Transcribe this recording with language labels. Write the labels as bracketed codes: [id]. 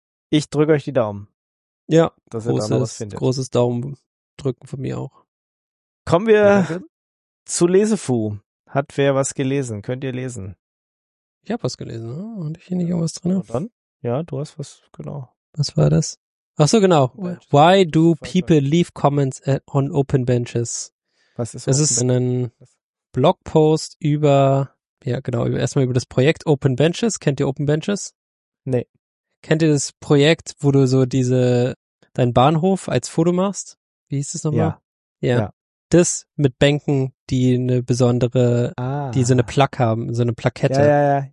[de] Ich drücke euch die Daumen. Ja, dass großes, ihr da noch was findet. Großes Daumen drücken von mir auch. Kommen wir zu Lesefu. Hat wer was gelesen? Könnt ihr lesen? Ich habe was gelesen. Oh, und ich hier nicht irgendwas drin? Und dann? Ja, du hast was, genau. Was war das? Ach so, genau. [en] Why do people leave comments on open benches? [de] Was ist das? Es ist ein Blogpost über, ja, genau, erstmal über das Projekt Open Benches. Kennt ihr Open Benches? Nee. Kennt ihr das Projekt, wo du so diese, deinen Bahnhof als Foto machst? Wie hieß das nochmal? Ja. Ja. Das mit Bänken, die eine besondere, die so eine Plaque haben, so eine Plakette.